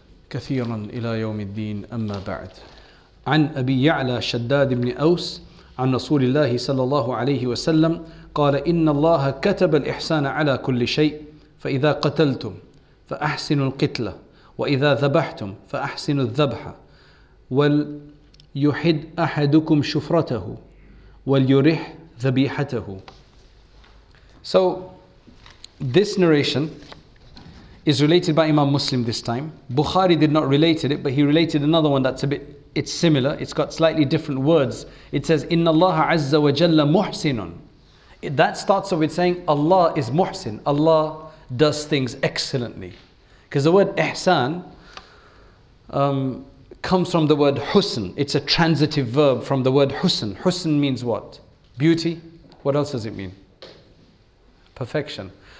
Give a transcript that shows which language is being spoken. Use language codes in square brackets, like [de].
[ar] كثيرا إلى يوم الدين أما بعد عن أبي يعلى شداد بن أوس عن رسول الله صلى الله عليه وسلم قال إن الله كتب الإحسان على كل شيء فإذا قتلتم فأحسنوا القتلة وإذا ذبحتم فأحسنوا الذبح وليحد أحدكم شفرته وليرح ذبيحته. [en] So this narration is related by Imam Muslim this time. Bukhari did not relate it, but he related another one that's a bit, it's similar, it's got slightly different words. It says, [ar] إن الله عز وجل محسن. [en] That starts off with saying Allah is Muhsin. Allah does things excellently. Because the word Ihsan comes from the word Husn. It's a transitive verb from the word Husn. Husn means what? Beauty. What else does it mean? Perfection.